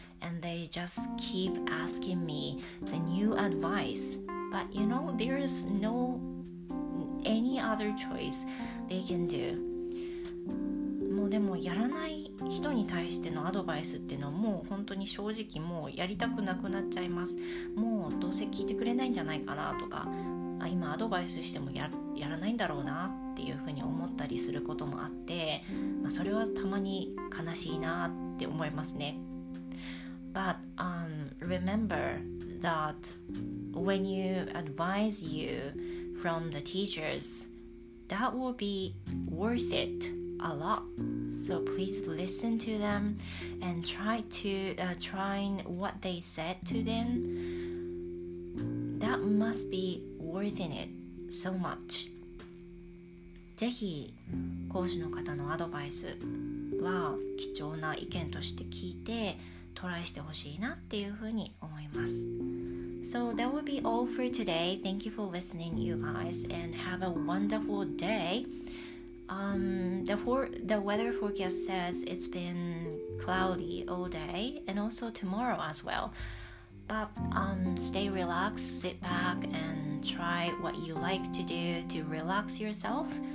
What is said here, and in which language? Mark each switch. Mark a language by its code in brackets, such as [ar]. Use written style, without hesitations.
[en] And they just keep asking me the new advice. But you know, there is no any other choice they can do. [ja] もうでもやらない人に対してのアドバイスっていうのはもう本当に正直もうやりたくなくなっちゃいます。もうどうせ聞いてくれないんじゃないかなとか、あ、今アドバイスしても やらないんだろうなっていうふうに思ったりすることもあって、まあ、それはたまに悲しいなって思いますね。 [en] But remember that when you advise you from the teachers, that will be worth it a lot. So please listen to them and try to try what they said to them. That must be worth it so much. [ja] ぜひ講師の方のアドバイスは貴重な意見として聞いて、トライしてほしいなっていうふうに思います。 [en] So that will be all for today. Thank you for listening, you guys, and have a wonderful day. The weather forecast says it's been cloudy all day and also tomorrow as well. But stay relaxed, sit back and try what you like to do to relax yourself.